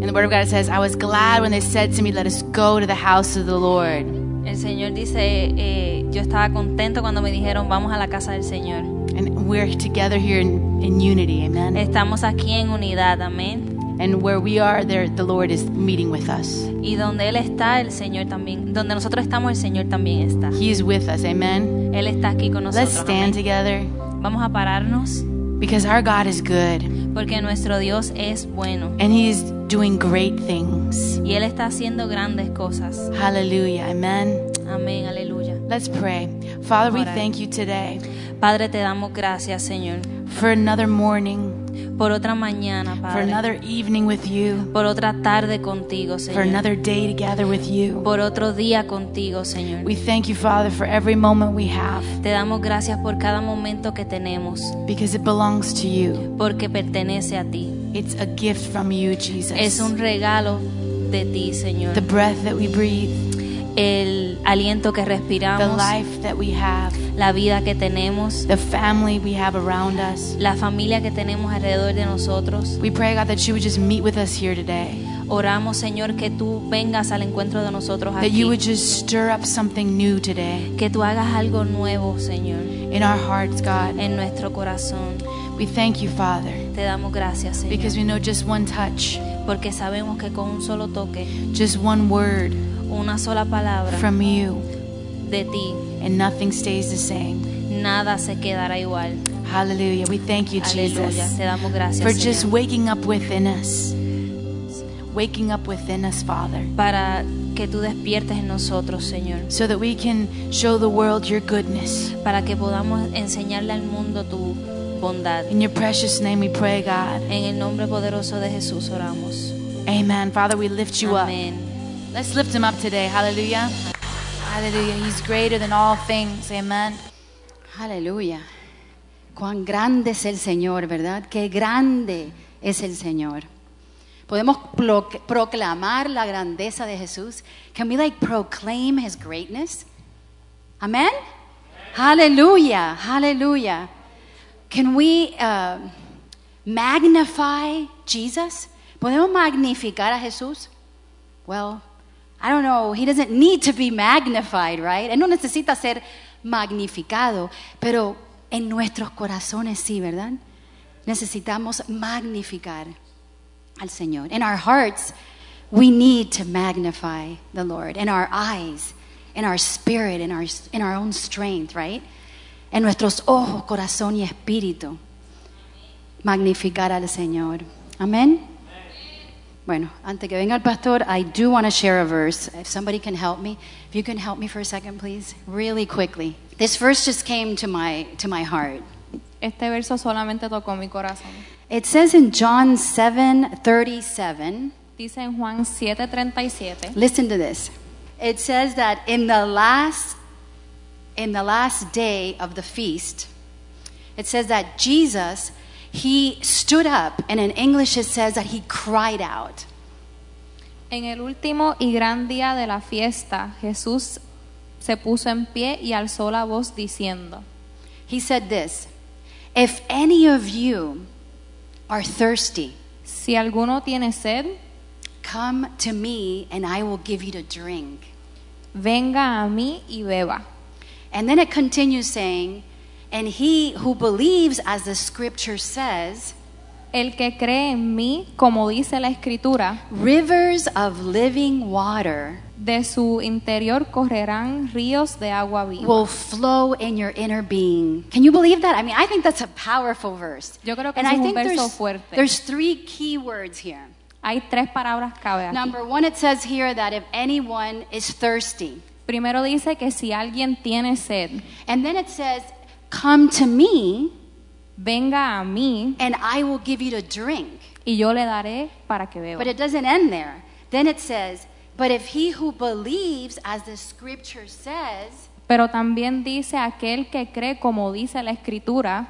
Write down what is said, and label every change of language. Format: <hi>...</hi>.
<en>And the word of God says, I was glad when they said to me, let us go to the house of the Lord.</en> <es>El Señor dice, yo estaba contento cuando me dijeron, vamos a la casa del Señor.</es> <en>And we're together here in unity. Amen.</en> <es>Estamos aquí en unidad. Amén.</es> <en>And where we are, there the Lord is meeting with us.</en> <es>Y donde él está, el Señor también. Donde nosotros estamos, el Señor también está.</es> <en>He is with us, amen.</en> <es>Él está aquí con nosotros.</es> <en>Let's stand together.</en> <es>Vamos a pararnos.</es> <en>Because our God is good.</en> <es>Porque nuestro Dios es bueno.</es> <en>And He is doing great things.</en> <es>Y él está haciendo grandes cosas.</es> <en>Hallelujah, amen.</en> <es>Amén, aleluya.</es> <en>Let's pray. Father, we thank you today.</en> <es>Padre, te damos gracias, Señor.</es> <en>For another morning.</en> <es>Por otra mañana, Padre.</es> <en>For another evening with you.</en> <es>Por otra tarde contigo, Señor.</es> <en>For another day together with you.</en> <es>Por otro día contigo, Señor.</es> <en>We thank you, Father, for every moment we have.</en> <es>Te damos gracias por cada momento que tenemos.</es> <en>Because it belongs to you.</en> <es>Porque pertenece a ti.</es> <en>It's a gift from you, Jesus.</en> <es>Es un regalo de ti, Señor.</es> <en>The breath that we breathe.</en> <es>El aliento que respiramos.</es> <en>The life that we have.</en> <es>La vida que tenemos.</es> <en>The family we have around us.</en> <es>La familia que tenemos alrededor de nosotros.</es> <en>We pray, God, that you would just meet with us here today.</en> <es>Oramos, Señor, que tú vengas al encuentro de nosotros aquí.</es> <en>That you would just stir up something new today.</en> <es>Que tú hagas algo nuevo, Señor.</es> <en>In our hearts, God.</en> <es>En nuestro corazón.</es> <en>We thank you, Father.</en> <es>Te damos gracias, Señor.</es> <en>Because we know just one touch.</en> <es>Porque sabemos que con un solo toque.</es> <en>Just one word.</en> <es>Una sola palabra.</es> <en>From you.</en> <es>De ti.</es> <en>And nothing stays the same.</en> <es>Nada se quedará igual.</es> <en>Hallelujah. We thank you, Jesus.</en> <es>Te damos gracias,</es> <en>Just waking up within us. Waking up within us, Father.</en> <es>Para que tú despiertes en nosotros, Señor.</es> <en>So that we can show the world your goodness.</en> <es>Para que podamos enseñarle al mundo tu bondad.</es> <en>In your precious name we pray, God.</en> <es>En el nombre poderoso de Jesús oramos.</es> <en>Amen. Father, we lift you Amen. Up. Let's lift him up today. Hallelujah. Hallelujah. He's greater than all things. Amen.</en> <es>Hallelujah. Cuán grande es el Señor, ¿verdad? Qué grande es el Señor. Podemos proclamar la grandeza de Jesús.</es> <en>Can we like proclaim his greatness? Amen. Hallelujah. Hallelujah. Can we magnify Jesus?</en> <es>¿Podemos magnificar a Jesús?</es> <en>Well, I don't know, he doesn't need to be magnified, right?</en> <es>Él no necesita ser magnificado, pero en nuestros corazones sí, ¿verdad? Necesitamos magnificar al Señor.</es> <en>In our hearts, we need to magnify the Lord. In our eyes, in our spirit, in our own strength, right?</en> <es>En nuestros ojos, corazón y espíritu, magnificar al Señor. Amén. Bueno, antes que venga el pastor,</es> <en>I do want to share a verse. If somebody can help me. If you can help me for a second, please. Really quickly. This verse just came to my heart.</en> <es>Este verso solamente tocó mi corazón.</es> <en>It says in John 7:37.</en> <es>Dice en Juan 7:37.</es> <en>Listen to this. It says that in the last day of the feast, it says that Jesus, he stood up, and in English it says that he cried out.</en> <es>En el último y gran día de la fiesta, Jesús se puso en pie y alzó la voz diciendo.</es> <en>He said this, if any of you are thirsty,</en> <es>si alguno tiene sed,</es> <en>come to me and I will give you to drink.</en> <es>Venga a mí y beba.</es> <en>And then it continues saying, and he who believes, as the scripture says,</en> <es>el que cree en mí, como dice la escritura,</es> <en>rivers of living water,</en> <es>de su interior correrán ríos de agua viva,</es> <en>will flow in your inner being. Can you believe that? I mean, I think that's a powerful verse.</en> <es>Yo creo que and es I un think verso there's, fuerte.</es> <en>There's three key words here.</en> <es>Hay tres palabras clave aquí.</es> <en>Number one, it says here that if anyone is thirsty,</en> <es>primero dice que si alguien tiene sed,</es> <en>and then it says, come to me,</en> <es>venga a mí,</es> <en>and I will give you to drink.</en> <es>Y yo le daré para que beba.</es> <en>But it doesn't end there. Then it says, but if he who believes, as the scripture says,</en> <es>pero también dice aquel que cree como dice la escritura.</es>